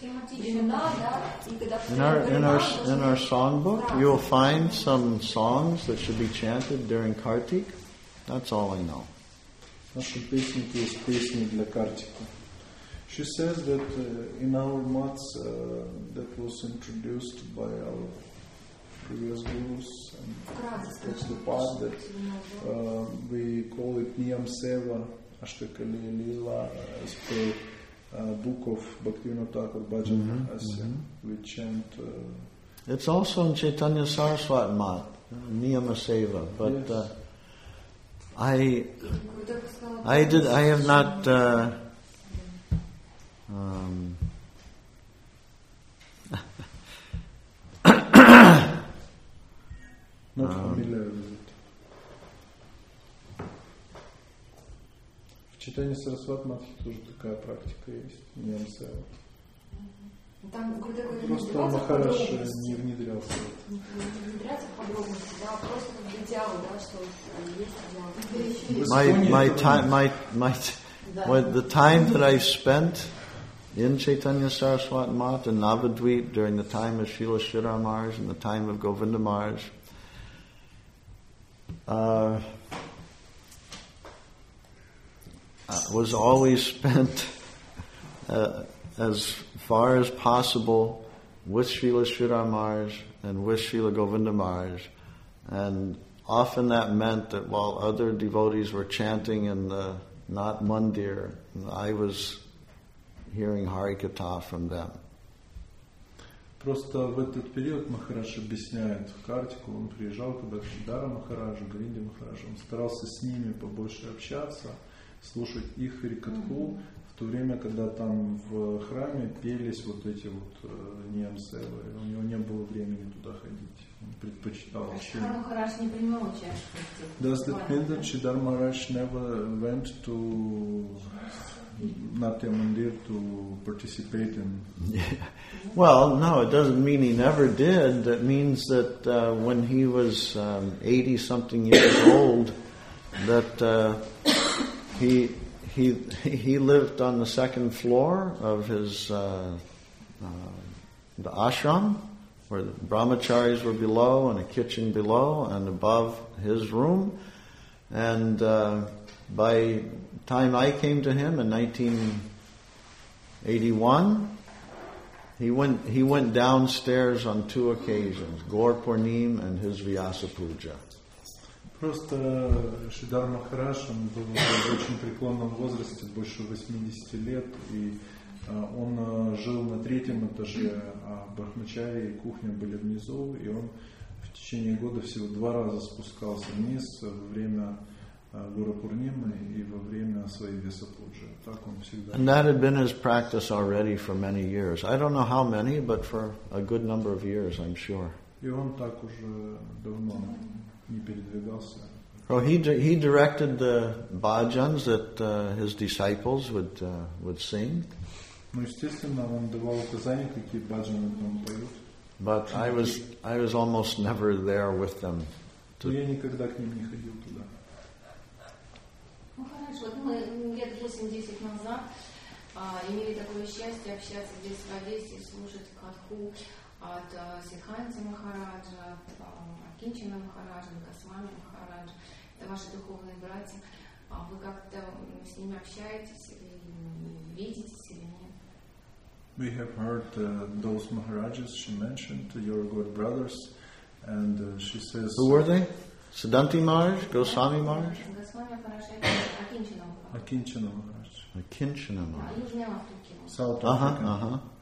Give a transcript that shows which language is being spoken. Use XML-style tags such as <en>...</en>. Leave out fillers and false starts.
<en>In our songbook, you'll find some songs that should be chanted during Kartik. That's all I know.</en> <ru>Наша песенка есть песни для Картика.</ru> <en>She says that in our mats that was introduced by our previous gurus, and that's the part that we call it Niyam Seva Ashtakali Lila as per book of Bhaktivinoda Thakur Bhajan Rahasya. We chant. It's also in Chaitanya Saraswat mat, Niyam Seva, but yes. I have not. Not familiar with it.</en> <ru>В читании Сарасват Матхи тоже такая практика есть. Не обязательно. Просто Махараш не внедрялся. Не внедрялся в подробности, да, просто как идеал, да, что</ru> <en>The time that I spent in Chaitanya Saraswat Math and Navadvip during the time of Srila Sridhar Maharaj and the time of Govinda Maharaj, was always spent as far as possible with Srila Sridhar Maharaj and with Srila Govinda Maharaj. And often that meant that while other devotees were chanting in the Nat Mandir, I was hearing Harikata from them.</en> <ru>Просто в этот период Махарадж объясняет в Картику, он приезжал к Бхактидара Махараджу, Гринди Махараджу, он старался с ними побольше общаться, слушать их Харикатху, в то время, когда там в храме пелись вот эти вот Ниамсевы, у него не было времени туда ходить.</ru> <en>Does that mean that Sridhar Maharaj never went to Natya Mandir to participate in? Yeah. Well, no, it doesn't mean he never did. It means that when he was 80 something years old, that he lived on the second floor of his the ashram, where the brahmacharis were below and a kitchen below and above his room. And by time I came to him in 1981, he went downstairs on two occasions, Gaur Purnim and his Vyasa Puja.</en> <ru>Просто Шридар Махарадж, он был в очень преклонном возрасте, больше 80 лет, и он жил на третьем этаже, а брахмачари и кухня были внизу, и он в течение года всего два раза спускался вниз во время Гуру Пурнимы и во время своей Весапуджи. Так он всегда.</ru> <en>And that had been his practice already for many years. I don't know how many, but for a good number of years, I'm sure.</en> <ru>И он так уже давно не передвигался.</ru> <en>So he directed the bhajans that his disciples would sing.</en> <ru>Ну, естественно, он давал указания, какие баджаны там поют.</ru> <en>But I was almost never there with them.</en> <ru>Но я никогда к ним не ходил туда. Ну, хорошо. Мы лет 8-10 назад имели такое счастье общаться здесь в Одессе, слушать катху от Сиханти Махараджа, Акинчина Махараджа, Госвами Махараджа. Это ваши духовные братья. А вы как-то с ними общаетесь или видитесь или нет?</ru> <en>We have heard those Maharajas she mentioned, your god brothers, and she says... Who were they? Siddhanti Maharaj? Goswami Maharaj? Akinchana Maharaj. Akinchana Maharaj. South Africa. Uh-huh.</en>